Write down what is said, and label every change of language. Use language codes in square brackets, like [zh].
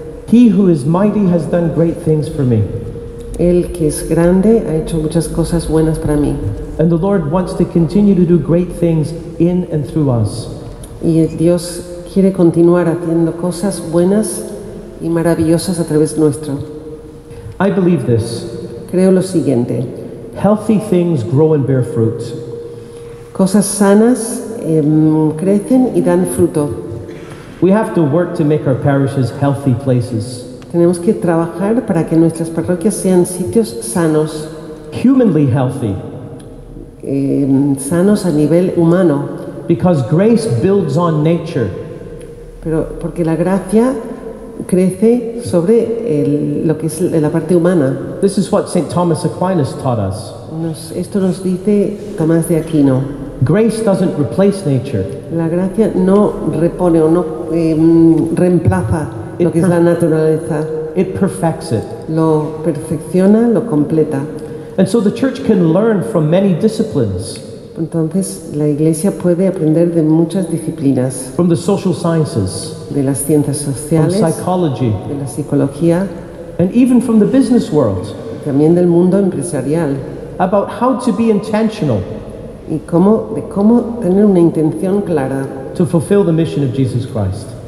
[en] He who is mighty has done great things for me. [es] El que es grande ha hecho muchas cosas buenas para mí. [en] And the Lord wants to continue to do great things in and through us. [es] Y Dios quiere continuar haciendo cosas buenas y maravillosas a través nuestro. [en] I believe this. [es] Creo lo siguiente. [en] Healthy things grow and bear fruit. [es] Cosas sanas crecen y dan fruto. [en] We have to work to make our parishes healthy places. [es] Tenemos que trabajar para que nuestras parroquias sean sitios sanos. [en] Humanly healthy. [es] Sanos a nivel humano. [en] Because grace builds on nature. [es] Pero porque la gracia crece sobre lo que es la parte humana. [en] This is what St. Thomas Aquinas taught us. [es] Esto nos dice Tomás de Aquino. [en] Grace doesn't replace nature. [es] La gracia no repone o no reemplaza lo que es la naturaleza. [en] It perfects it. [es] Lo perfecciona, lo completa. [en] And so the church can learn from many disciplines. [es] Entonces la iglesia puede aprender de muchas disciplinas. [en] From the social sciences. [es] De las ciencias sociales. [en] From psychology. [es] De la psicología. [en] And even from the business world. [es] También del mundo empresarial. [en] About how to be intentional. [es] Y cómo tener una intención clara. [en] To fulfill the mission of Jesus Christ.